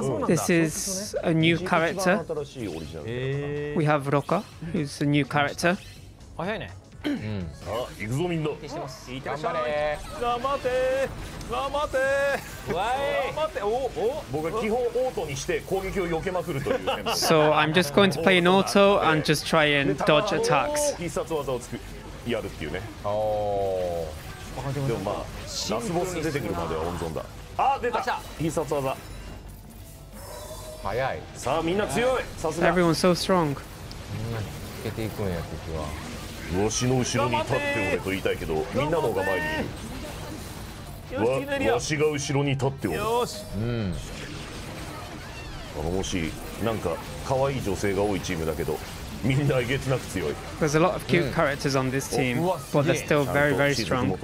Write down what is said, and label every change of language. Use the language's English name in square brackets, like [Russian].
[English] This is a new character. We have Roka, who's a new character. [Japanese] 早いね。さあ、行くぞみんな。頑張れ。頑張って。頑張って。わい。頑張って。僕は基本オートにして攻撃を避けまくるという。 [English] So I'm just going to play an auto and just try and dodge attacks。 [Japanese] 必殺技をつくやるっていうね。でもまあラスボス出てくるまでは温存だ。あ、出た。必殺技。早い。さあみんな強い。さすが。 [English] Everyone so strong。 [Japanese] みんなにつけていくんや敵は。わしの後ろに立っておれと言いたいけど、みんなの方が前にいる。わしが後ろに立っておる。よし。うん。もし、なんか可愛い女性が多いチームだけど、みんなえげつなく強い。 [English] There's a lot of cute characters on this team, but they're still very, very strong.